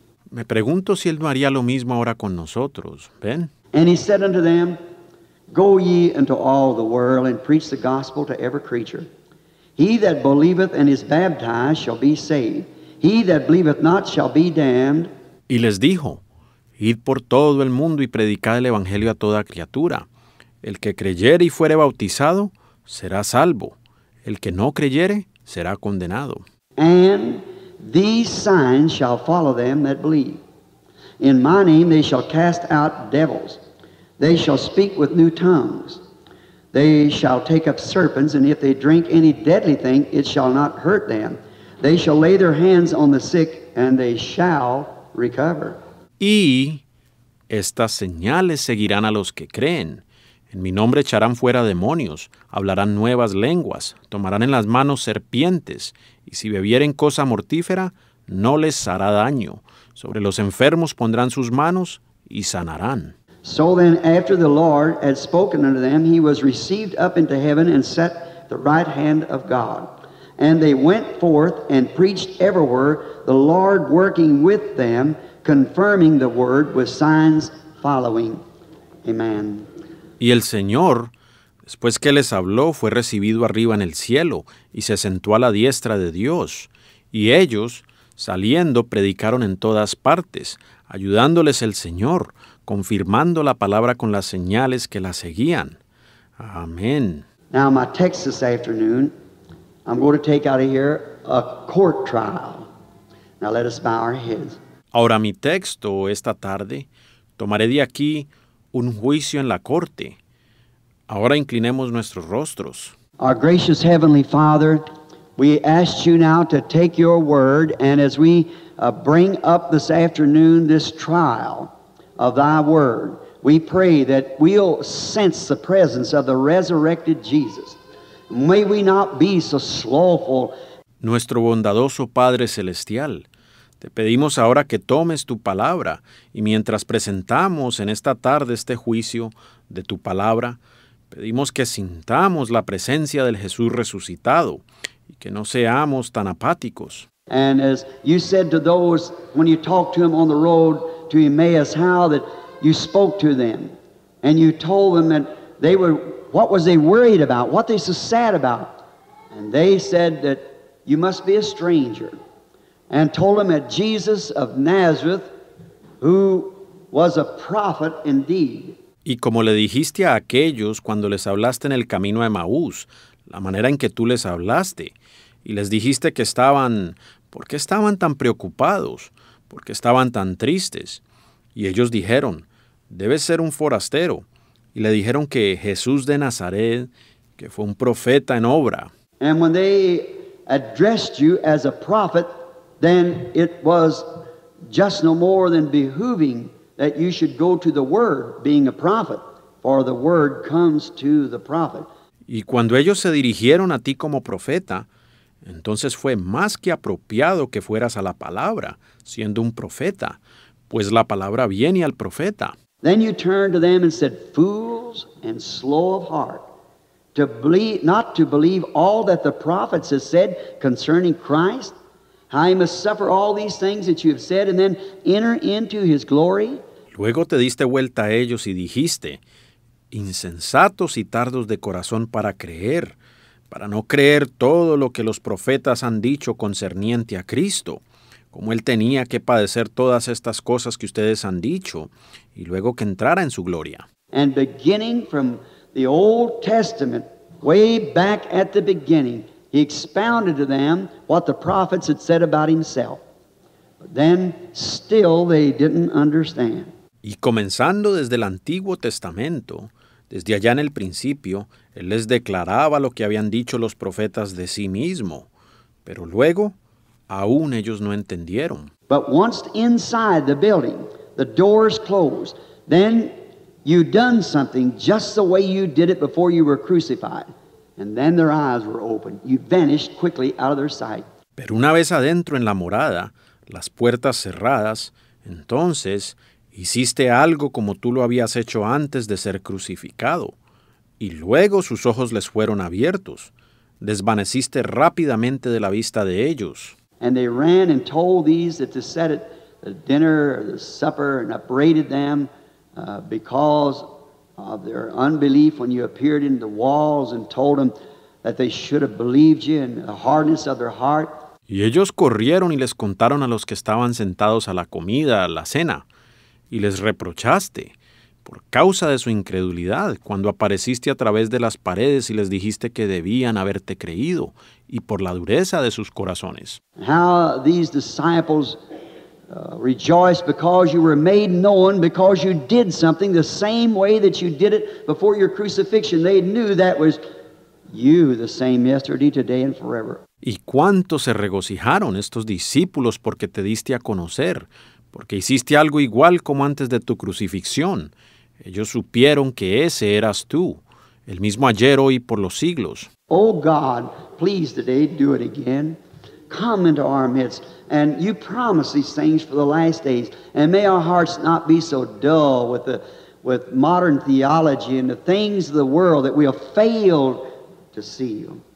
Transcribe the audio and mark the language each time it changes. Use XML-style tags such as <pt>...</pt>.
<es>Me pregunto si él no haría lo mismo ahora con nosotros, ¿ven?</es> <en>And he said unto them, go ye into all the world and preach the gospel to every creature. He that believeth and is baptized shall be saved. He that believeth not shall be damned.</en> <es>Y les dijo, id por todo el mundo y predicad el evangelio a toda criatura. El que creyere y fuere bautizado será salvo. El que no creyere será condenado.</es> <en>And these signs shall follow them that believe. In my name they shall cast out devils. They shall speak with new tongues. They shall take up serpents, and if they drink any deadly thing, it shall not hurt them. They shall lay their hands on the sick, and they shall recover.</en> <es>Y estas señales seguirán a los que creen. En mi nombre echarán fuera demonios, hablarán nuevas lenguas, tomarán en las manos serpientes, y si bebieren cosa mortífera, no les hará daño. Sobre los enfermos pondrán sus manos y sanarán.</es> <en>So then, after the Lord had spoken unto them, he was received up into heaven and sat the right hand of God. And they went forth and preached everywhere, the Lord working with them, confirming the word with signs following. Amen.</en> <es>Y el Señor, después que les habló, fue recibido arriba en el cielo y se sentó a la diestra de Dios. Y ellos, saliendo, predicaron en todas partes, ayudándoles el Señor, confirmando la palabra con las señales que la seguían. Amén.</es> <en>Now my text this afternoon, I'm going to take out of here a court trial. Now let us bow our heads.</en> <es>Ahora mi texto esta tarde, tomaré de aquí un juicio en la corte. Ahora inclinemos nuestros rostros.</es> <en>Our gracious Heavenly Father, we ask you now to take your word, and as we bring up this afternoon this trial of thy word, we pray that we'll sense the presence of the resurrected Jesus. May we not be so slothful.</en> <es>Nuestro bondadoso Padre Celestial, te pedimos ahora que tomes tu palabra, y mientras presentamos en esta tarde este juicio de tu palabra, pedimos que sintamos la presencia del Jesús resucitado y que no seamos tan apáticos.</es> <en>And as you said to those when you talked to him on the road to Emmaus, how that you spoke to them and you told them that they were, what was they worried about? What they so sad about? And they said that you must be a stranger. And told him that Jesus of Nazareth, who was a prophet indeed.</en> <es>Y como le dijiste a aquellos cuando les hablaste en el camino a Emaús, la manera en que tú les hablaste, y les dijiste que estaban, ¿por qué estaban tan preocupados? ¿Por qué estaban tan tristes? Y ellos dijeron, debes ser un forastero. Y le dijeron que Jesús de Nazaret, que fue un profeta en obra.</es> <en>And when they addressed you as a prophet, then it was just no more than behooving that you should go to the word, being a prophet, for the word comes to the prophet.</en> <es>Y cuando ellos se dirigieron a ti como profeta, entonces fue más que apropiado que fueras a la palabra, siendo un profeta, pues la palabra viene al profeta.</es> <en>Then you turned to them and said, fools and slow of heart, to believe, not to believe all that the prophets have said concerning Christ, how he must suffer all these things that you have said and then enter into his glory.</en> <es>Luego te diste vuelta a ellos y dijiste, insensatos y tardos de corazón para no creer todo lo que los profetas han dicho concerniente a Cristo, como él tenía que padecer todas estas cosas que ustedes han dicho, y luego que entrara en su gloria.</es> <en>And beginning from the Old Testament, way back at the beginning, he expounded to them what the prophets had said about himself. But then still they didn't understand.</en> <es>Y comenzando desde el Antiguo Testamento, desde allá en el principio, él les declaraba lo que habían dicho los profetas de sí mismo. Pero luego, aún ellos no entendieron.</es> <en>But once inside the building, the doors closed. Then you'd done something just the way you did it before you were crucified. And then their eyes were open. You vanished quickly out of their sight.</en> <es>Pero una vez adentro en la morada, las puertas cerradas, entonces hiciste algo como tú lo habías hecho antes de ser crucificado. Y luego sus ojos les fueron abiertos. Desvaneciste rápidamente de la vista de ellos.</es> <en>And they ran and told these that they sat at the dinner or the supper and upbraided them because of their unbelief when you appeared in the walls and told them that they should have believed you and the hardness of their heart.</en> <es>Y ellos corrieron y les contaron a los que estaban sentados a la comida, a la cena. Y les reprochaste por causa de su incredulidad cuando apareciste a través de las paredes y les dijiste que debían haberte creído y por la dureza de sus corazones.</es> <en>How these disciples rejoiced because you were made known because you did something the same way that you did it before your crucifixion. They knew that was you, the same yesterday, today, and forever.</en> <es>Y cuánto se regocijaron estos discípulos porque te diste a conocer. Porque hiciste algo igual como antes de tu crucifixión. Ellos supieron que ese eras tú, el mismo ayer, hoy, por los siglos.</es> <en>Oh God, please today do it again. Come into our midst, and you promise these things for the last days. And may our hearts not be so dull with modern theology and the things of the world that we have failed to see you.</en>